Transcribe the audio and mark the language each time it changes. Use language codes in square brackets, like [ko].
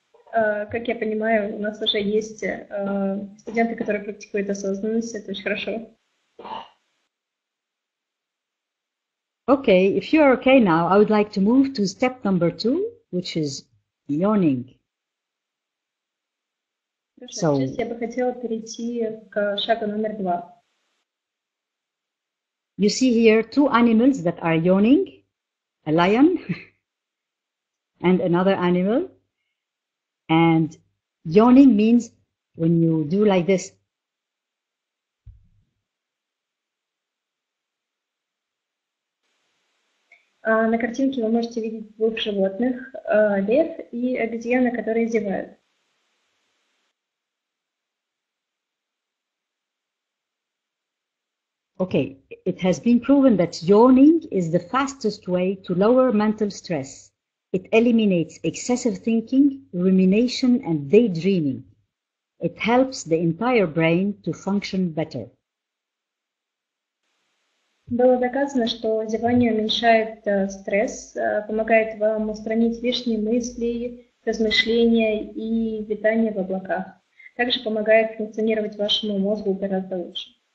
[ru] Как я понимаю, у нас уже есть студенты, которые практикуют осознанность. Это очень хорошо. [en] Okay, if you are okay now, I would like to move to step number two, which is yawning. [ru] Хорошо, so, сейчас я бы хотела перейти к шагу номер два. [en] You see here two animals that are yawning, a lion and another animal. And yawning means when you do like this. [ru] На картинке вы можете видеть двух животных, лев и обезьяна, которые зевают. [en] Okay, it has been proven that yawning is the fastest way to lower mental stress. It eliminates excessive thinking, rumination, and daydreaming. It helps the entire brain to function better. [ru] Было доказано, что зевание уменьшает стресс, помогает вам устранить лишние мысли, размышления и витание в облаках. Также помогает функционировать вашему мозгу гораздо лучше.